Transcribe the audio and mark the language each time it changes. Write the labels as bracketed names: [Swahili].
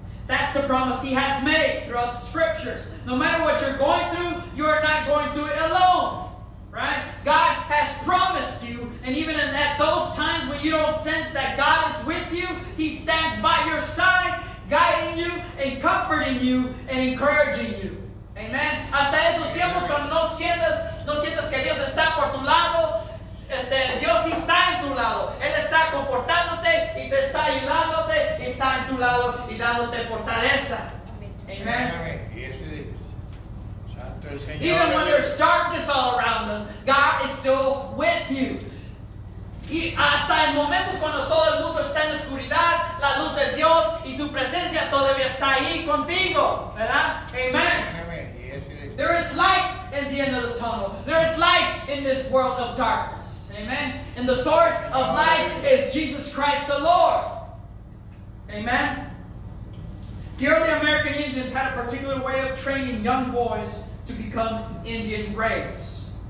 [English] That's the promise he has made throughout the scriptures. No matter what you're going through, you are not going through it alone, right? God has promised you, and even in those times when you don't sense that God is with you, he stands by your side, guiding you and comforting you and encouraging you. Amen. [Spanish] Hasta esos tiempos cuando no sientes que Dios está por tu lado, Dios está en tu lado. Él está confortándote y te está ayudándote y está en tu lado y dándote fortaleza. Amen. [English] Yes, it is. [Spanish] Santo el Señor. [English] Even when there's darkness all around us, God is still with you. [Spanish] Y hasta en momentos cuando todo el mundo está en la oscuridad, la luz de Dios y su presencia todavía está ahí contigo, ¿verdad? Amen. [English] There is light at the end of the tunnel. There is light in this world of darkness. Amen. And the source of light is Jesus Christ the Lord. Amen. The early American Indians had a particular way of training young boys to become Indian braves.